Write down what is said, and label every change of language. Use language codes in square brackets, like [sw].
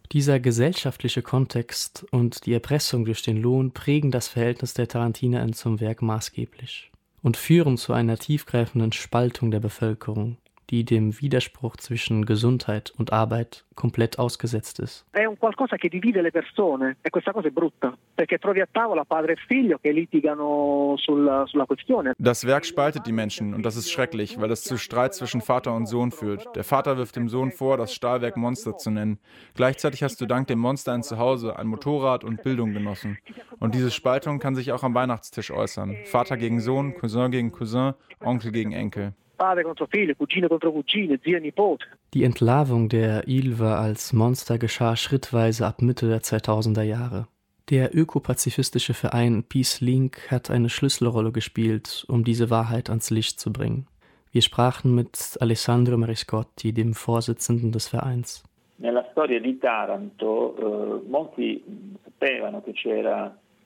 [de] Dieser gesellschaftliche Kontext und die Erpressung durch den Lohn prägen das Verhältnis der TarentinerInnen zum Werk maßgeblich und führen zu einer tiefgreifenden Spaltung der Bevölkerung, die dem Widerspruch zwischen Gesundheit und Arbeit komplett ausgesetzt ist. [it] È un qualcosa che divide le persone e questa cosa è brutta, perché trovi a tavola padre e figlio che litigano sulla questione. [de] Das Werk spaltet die Menschen und das ist schrecklich, weil es zu Streit zwischen Vater und Sohn führt. Der Vater wirft dem Sohn vor, das Stahlwerk Monster zu nennen. Gleichzeitig hast du dank dem Monster ein Zuhause, ein Motorrad und Bildung genossen. Und diese Spaltung kann sich auch am Weihnachtstisch äußern. Vater gegen Sohn, Cousin gegen Cousin, Onkel gegen Enkel. Die Entlarvung der Ilva als Monster geschah schrittweise ab Mitte der 2000er Jahre. Der ökopazifistische Verein Peace Link hat eine Schlüsselrolle gespielt, um diese Wahrheit ans Licht zu bringen. Wir sprachen mit Alessandro Mariscotti, dem Vorsitzenden des Vereins. [it] Nella storia di Taranto, molti sapevano che c'era.